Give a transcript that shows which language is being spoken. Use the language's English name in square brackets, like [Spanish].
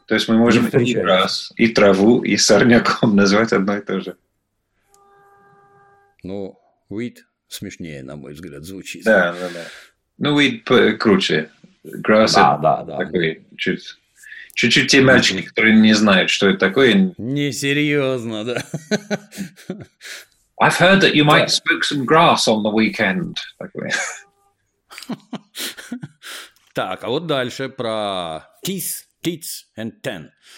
[Russian] То есть мы можем и grass, и траву, и сорняком назвать одно и то же. Ну, weed смешнее, на мой взгляд, звучит. Да, да, да. Ну, weed круче. [English] Grass, [Russian] да, это да, да, такой чуть-чуть те мальчики, которые не знают, что это такое. Несерьезно, да. [English] I've heard that you might smoke some grass on the weekend. [Russian] Так, а вот дальше про [English] kiss, tits and ten.